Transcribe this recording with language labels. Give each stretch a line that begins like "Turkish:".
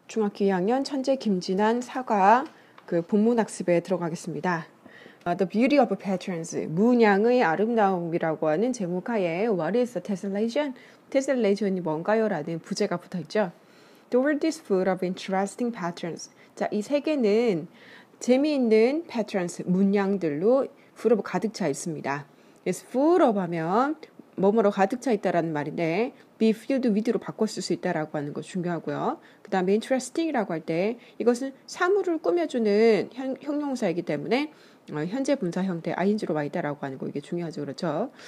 Korean: 중학교 2학년 천재 김진환 사과 그 본문 학습에 들어가겠습니다.
English: The Beauty of Patterns,
Korean: 문양의 아름다움이라고 하는 제목 하에
English: What is a tessellation?
Korean: Tessellation이 뭔가요? 라는 부제가 붙어있죠.
English: The world is full of interesting patterns.
Korean: 자, 이 세계는 재미있는 patterns, 문양들로
English: full of
Korean: 가득 차 있습니다.
English: It's full of
Korean: 하면 뭐뭐로 가득 차 있다라는 말인데
English: be filled with
Korean: 로 바꿨을 수 있다라고 하는 거 중요하고요. 그 다음에 interesting이라고 할 때 이것은 사물을 꾸며주는 형용사이기 때문에 현재 분사 형태 ing로 와 있다라고 하는 거 이게 중요하죠. 그렇죠?